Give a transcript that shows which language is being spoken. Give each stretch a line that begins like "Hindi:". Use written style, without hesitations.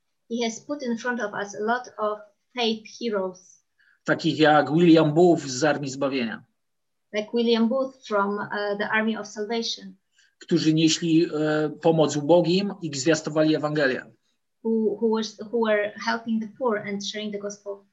English: He has put in front of us a lot of faith heroes.
Polish: Takich jak William Booth z Armii Zbawienia.
English: Like William Booth from the Army of Salvation.
Polish: Którzy nieśli pomoc ubogim i zwiastowali Ewangelię.
English: Who were helping the poor and sharing the gospel.